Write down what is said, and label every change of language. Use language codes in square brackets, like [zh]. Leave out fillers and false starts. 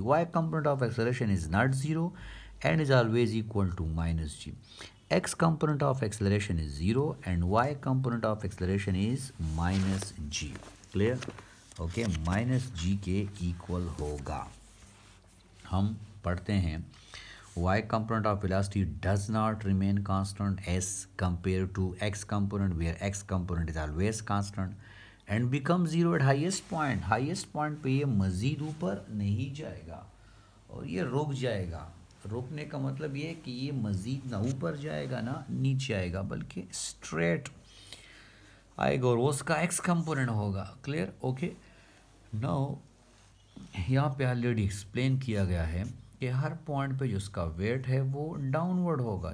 [en] Y component of acceleration is not zero and is always equal to minus G. X component of acceleration is zero and Y component of acceleration is minus G. Clear? [hi] Okay, minus जी के equal होगा। हम पढ़ते हैं [en] y component of velocity does not remain constant as compared to x component where x component is always constant and becomes zero at highest point. [hi] Highest point पे ये मज़ीद ऊपर नहीं जाएगा और ये रुक जाएगा। रुकने का मतलब ये कि ये मज़ीद ना ऊपर जाएगा ना नीचे आएगा बल्कि स्ट्रेट आएगा और वो उसका x component होगा। क्लियर? ओके, नाउ यहाँ पे ऑलरेडी एक्सप्लेन किया गया है कि हर पॉइंट पे जो उसका वेट है वो डाउनवर्ड होगा।